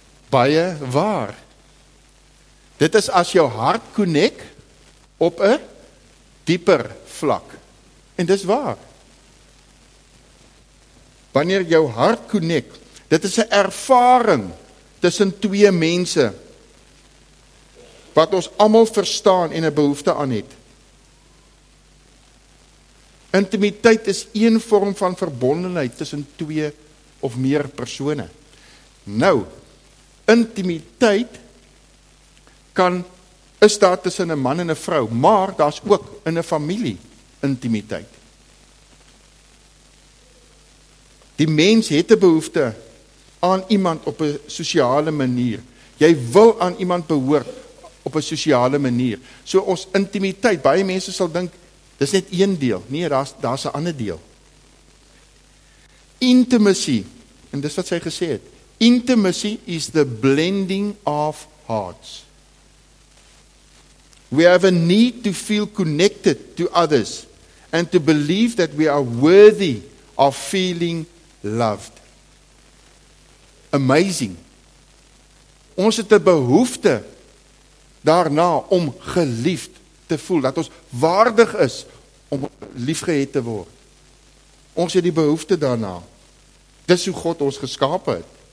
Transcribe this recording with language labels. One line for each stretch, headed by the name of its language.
Afrikaans: Baie waar. Dit is as jou hart connect op 'n dieper vlak. En dis waar. Wanneer jou hart connect, dit is 'n ervaring tussen twee mense wat ons almal verstaan en 'n behoefte aan het. Intimiteit is een vorm van verbondenheid tussen twee of meer persone. Nou, intimiteit kan is daar tussen 'n man en 'n vrou, maar daar's ook in 'n familie intimiteit. Die mens het 'n behoefte aan iemand op 'n sosiale manier. Jy wil aan iemand behoort op 'n sosiale manier. So ons intimiteit, baie mense sal dink, dis net een deel. Nee, daar's 'n ander deel. Intimacy, en dis wat sy gesê het,
English: intimacy is the blending of hearts. We have a need to feel connected to others and to believe that we are worthy of feeling loved. Amazing.
Afrikaans: Ons het 'n behoefte daarna om geliefd te voel, dat ons waardig is om liefgehet te word. Ons het die behoefte daarna. Dis hoe God ons geskaap het.